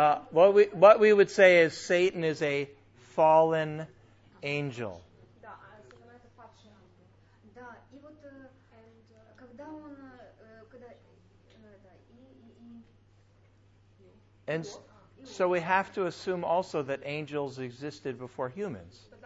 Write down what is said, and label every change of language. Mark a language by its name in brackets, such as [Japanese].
[English] What we would say is Satan is a fallen angel. [Russian] Да, сатана это падший ангел. Да, и вот когда он, когда, да, и... [English] And so we have to assume also that angels existed before humans.